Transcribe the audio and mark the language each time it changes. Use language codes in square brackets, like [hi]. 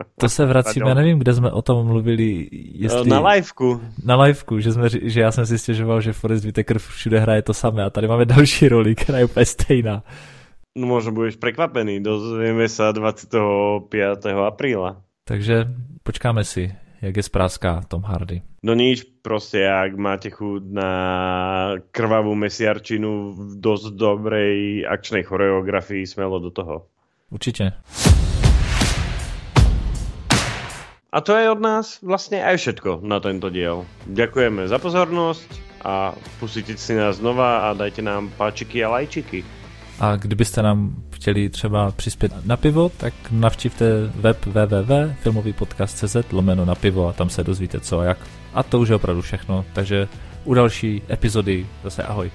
[cs] To se vracíme, já nevím, kde jsme o tom mluvili. Jestli... Na liveku. Na liveku, že já jsem si stěžoval, že Forest Whitaker všude hraje to samé a tady máme další roli, která je úplně stejná. No možná budeš překvapený, dozvíme se 25. apríla. [sk] Takže počkáme si. jak je spráská Tom Hardy. No nič, proste ak máte chuť na krvavú mesiarčinu v dosť dobrej akčnej choreografii, smelo do toho. Určite. A to je od nás vlastne aj všetko na tento diel. Ďakujeme za pozornosť a pustite si nás znova a dajte nám páčiky a lajčiky. [cs] A kdybyste nám chtěli třeba přispět na pivo, tak navštivte web www.filmovýpodcast.cz/napivo a tam se dozvíte co a jak. A to už je opravdu všechno, takže u další epizody zase ahoj.